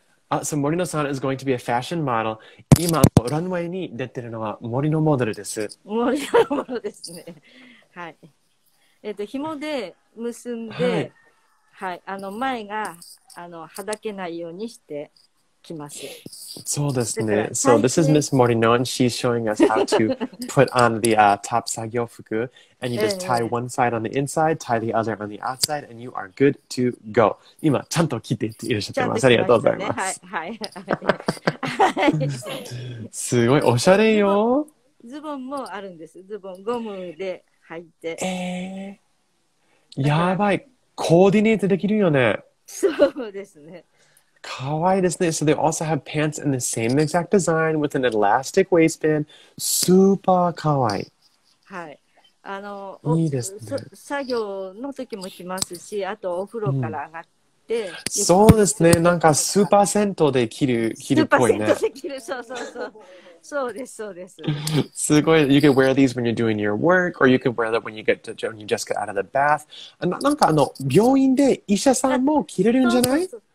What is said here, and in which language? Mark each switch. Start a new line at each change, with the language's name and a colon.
English: あ、森野さん is going to be a fashion model。
Japanese: 今、ランウェイに出てるのは森野モデルです。森野モデルですね。はい。紐で結んで、はいはい、あの前があのはだけないようにしてきます。そうですね。
English: So this is Miss Morino and she's showing us how to put on the top 作業服 and you just tie one side on the inside, tie the other on the outside and you are good to go.
Japanese: 今ちゃんと着ていらっしゃってます。ありがとうございます。はい。すごいおしゃれよ。ズボンもあるんです。ズボンゴムで履いて。やばい。コーディネートできるよね。そうですね。かわいいですね。
English: So they also have pants in the same exact design with an elastic waistband.
Japanese: スーパーかわいい。はい。あの、いいですね。作業の時も着ますし、あとお風呂から上がって。うん、そうですね。なんかスーパー銭湯で着るっぽいね。スーパー銭湯で着る。そうそうそう。そうですそうです。すごい。
English: You can wear these when you're doing your work, or you can wear them when you get to, when you just get out of the bath.
Japanese: なんかあの病院で医者さんも着れるんじゃない？